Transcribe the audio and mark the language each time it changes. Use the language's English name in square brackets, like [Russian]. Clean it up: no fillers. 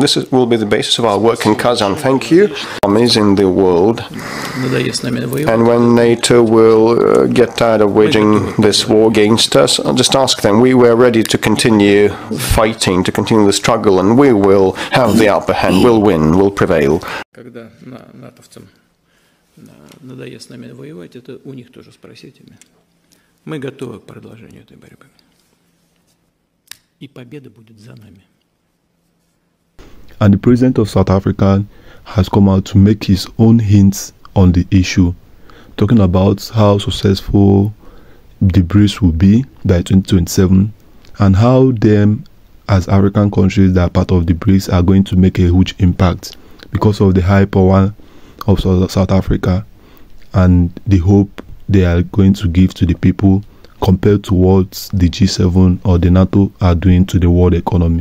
[English] This will be the basis of our work in Kazan. Thank you. Armies in the world, and when NATO will get tired of waging this war against us, I'll just ask them. We were ready to continue fighting, to continue the struggle, and we will have the upper hand. We'll win. We'll prevail. [Russian] Надоест с нами воевать, это у них тоже спросите. Мы готовы к продолжению этой борьбы. И победа будет за нами. [English] And the president of South Africa has come out to make his own hints on the issue, talking about how successful the BRICS will be by 2027, and how them as African countries that are part of the BRICS are going to make a huge impact because of the high power of South Africa and the hope they are going to give to the people compared to what the G7 or the NATO are doing to the world economy.